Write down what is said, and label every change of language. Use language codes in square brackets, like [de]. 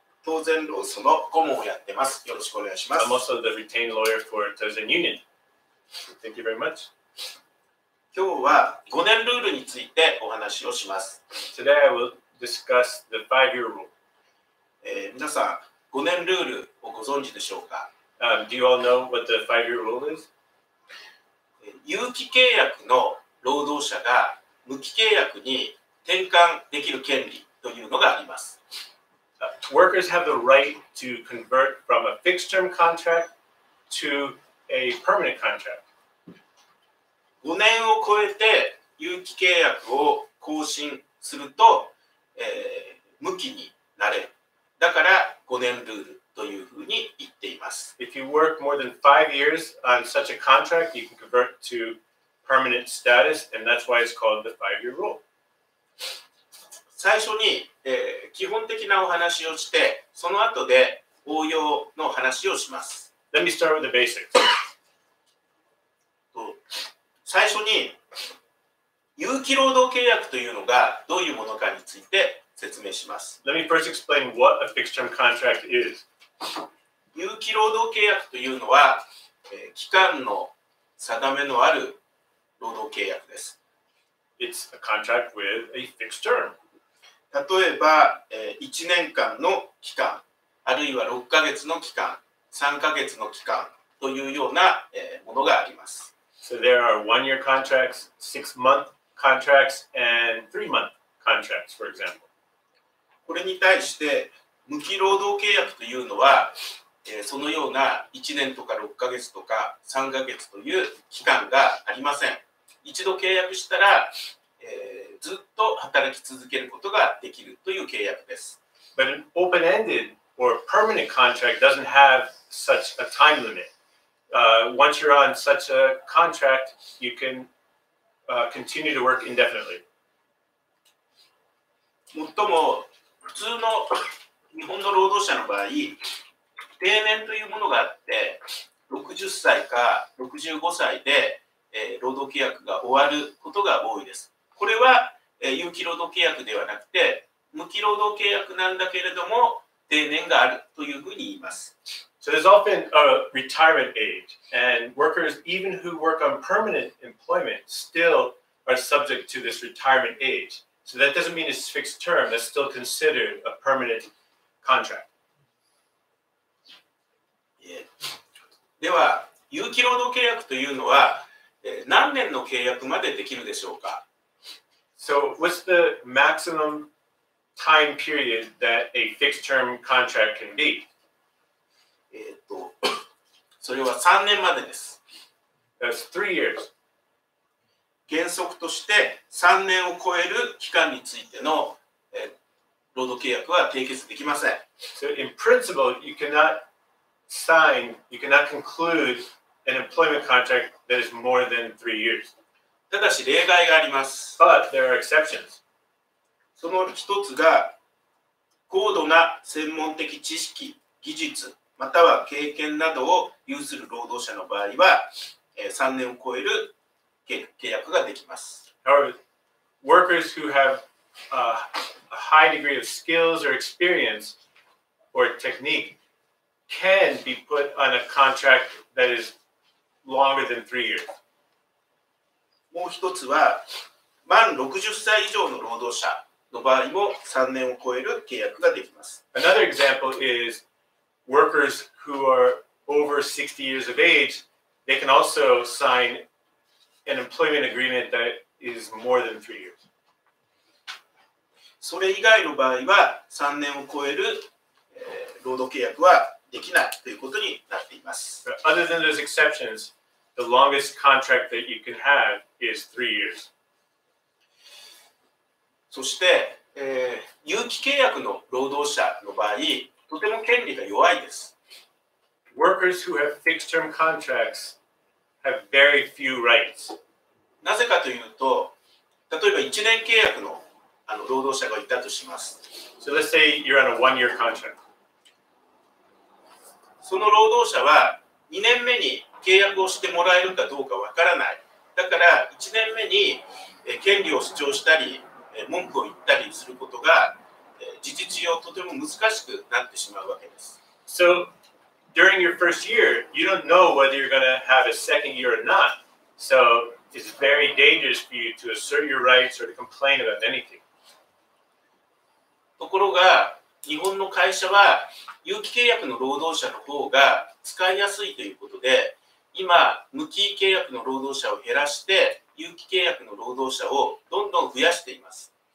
[en] I'm also the retained lawyer for Tozen Union. So thank you very much. [ja] 今日は5年ルールについてお話をします。 [en] Today I will discuss the five-year rule. [ja] 皆さん、5年ルールをご存知でしょうか？ [en] Do you all know what the five-year rule is? [ja] 有期契約の労働者が無期契約に転換できる権利というのがあります。 [en] Workers have the right to convert from a fixed-term contract to a permanent contract. [ja] 5年を超えて有期契約を更新すると、無期になれる。だから5年ルールというふうに言っています。 [en] If you work more than 5 years on such a contract, you can convert to permanent status, and that's why it's called the 5-year rule. [ja] 最初に、基本的なお話をして、その後で応用の話をします。 [en] Let me start with the basics. [ja] 最初に有期労働契約というのがどういうものかについて説明します。 [en] Let me first explain what a fixed-term contract is. [ja] 有期労働契約というのは、期間の定めのある労働契約です。 [en] It's a contract with a fixed term. [ja] 例えば、1年間の期間、あるいは6ヶ月の期間、3ヶ月の期間というような、ものがあります。 [en] So there are one-year contracts, six-month contracts, and three-month contracts, for example. [ja] これに対して、無期労働契約というのは、そのような1年とか6ヶ月とか3ヶ月という期間がありません。一度契約したら、ずっと働き続けることができるという契約です。 [en] But an open-ended or permanent contract doesn't have such a time limit. Once you're on such a contract, you can continue to work indefinitely. [ja] 最も普通の日本の労働者の場合、定年というものがあって、60歳か65歳で、労働契約が終わることが多いです。これは、有期労働契約ではなくて、無期労働契約なんだけれども、定年があるというふうに言います。 [en] So there's often a retirement age, and workers, even who work on permanent employment, still are subject to this retirement age. So that doesn't mean it's fixed term, that's still considered a permanent contract. [ja] では、有期労働契約というのは、何年の契約までできるでしょうか? [en] So what's the maximum time period that a fixed term contract can be? [ja] それは3年までです。 [en] That's 3 years. [ja] 原則として3年を超える期間についての、労働契約は締結できません。 [en] So in principle, you cannot sign, you cannot conclude an employment contract that is more than 3 years. [ja] ただし例外があります。 [en] But there are exceptions. [ja] その一つが高度な専門的知識、技術、または経験などを有する労働者の場合は、3年を超える契約ができます。 [en] However, workers who have a high degree of skills or experience or technique can be put on a contract that is longer than 3 years. [ja] もう一つは、満60歳以上の労働者の場合も3年を超える契約ができます。 [en] Another example is,Workers who are over 60 years of age, they can also sign an employment agreement that is is more than 3 years. [ja] それ以外の場合は3年を超える、労働契約はできないということになっています。 [en] But other than those exceptions, the longest contract that you can have is 3 years. [ja] そして、有期契約の労働者の場合、とても権利が弱いです。 [en] Workers who have fixed term contracts have very few rights. [ja] なぜかというと、例えば1年契約の、労働者がいたとします。 [en] So let's say you're on a one-year contract. [ja] その労働者は2年目に契約をしてもらえるかどうかわからない。だから1年目に権利を主張したり、文句を言ったりすることが事実上とても難しくなってしまうわけです。 [en] So,During your first year, you don't know whether you're going to have a second year or not. So it's very dangerous for you to assert your rights or to complain about anything. [ja] ところが、日本の会社は有期契約の労働者の方が使いやすいということで、今、無期契約の労働者を減らして、有期契約の労働者をどんどん増やしています。